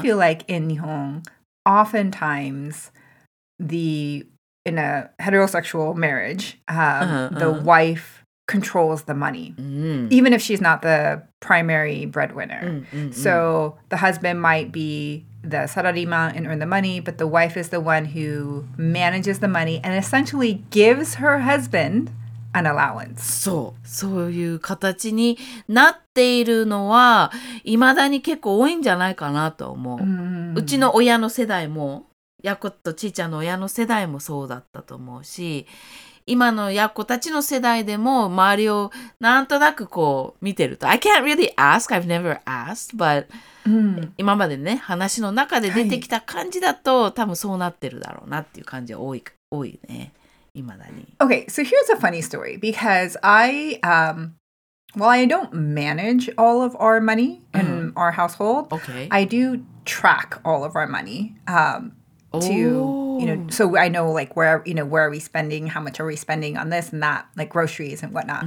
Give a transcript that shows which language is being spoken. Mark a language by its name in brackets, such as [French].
[English] feel like in Nihon, oftentimes the, in a heterosexual marriage, the wife controls the money,、 mm. even if she's not the primary breadwinner. Mm, mm, mm. So the husband might be the sarariman and earn the money, but the wife is the one who manages the money and essentially gives her husband an allowance. [Japanese] そう、そういう形になっているのは未だに結構多いんじゃないかなと思う。 Mm. うちの親の世代も、ヤコとちーちゃんの親の世代もそうだったと思うし、今のヤッコたちの世代でも周りをなんとなくこう見てると [English] I can't really ask, I've never asked, but、うん、 [Japanese] 今までね話の中で出てきた感じだと、はい、多分そうなってるだろうなっていう感じが多いね、未だに。 [English] Okay, so here's a funny story because I、well, I don't manage all of our money in、うん、our household. Okay. I do track all of our money、to、 oh. You know, so I know like where, you know, where are we spending? How much are we spending on this and that, like groceries and whatnot?、